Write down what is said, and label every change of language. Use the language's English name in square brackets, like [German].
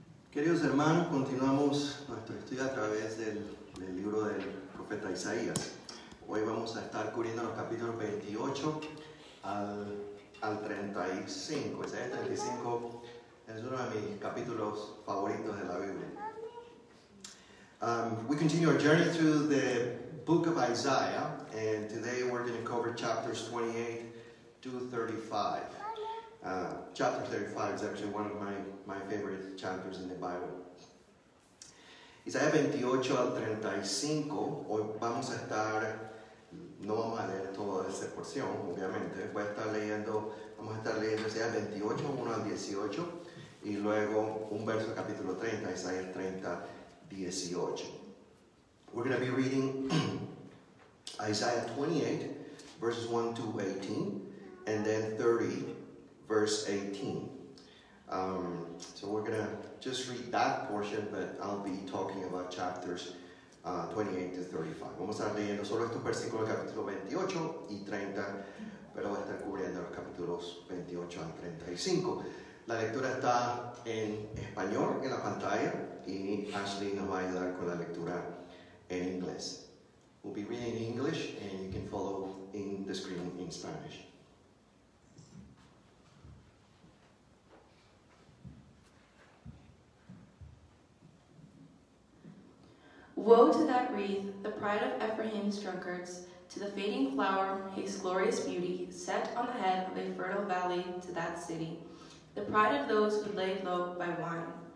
[Spanish] Queridos hermanos, continuamos nuestro estudio a través del libro del profeta Isaías. Hoy vamos a estar cubriendo los capítulos 28 al 35. Isaías 35 es uno de mis capítulos favoritos de la Biblia. [English] We continue our journey through the book of Isaiah, and today we're going to cover chapters 28 to 35. Chapter 35 is actually one of my favorite chapters in the Bible. [Spanish] Isaías 28 al 35, hoy vamos a estar, no vamos a leer toda esa porción, obviamente, vamos a estar leyendo Isaías 28, 1 al 18, y luego un verso capítulo 30, Isaías 30, 18. [English] We're going to be reading Isaías 28, verses 1 to 18, and then 30. Verse 18. So we're going to just read that portion, but I'll be talking about chapters 28 to 35. [Spanish] Vamos a leer solo estos versículos, capítulo 28 y 30, pero voy a estar cubriendo los capítulos 28 al 35. La lectura está en español en la pantalla y Ashley nos va a ayudar con la lectura en inglés. [English] We'll be reading in English and you can follow in the screen in Spanish. Woe to that wreath, the pride of Ephraim's drunkards, to the fading flower, his glorious beauty, set on the head of a fertile valley to that city, the pride of those who lay low by wine.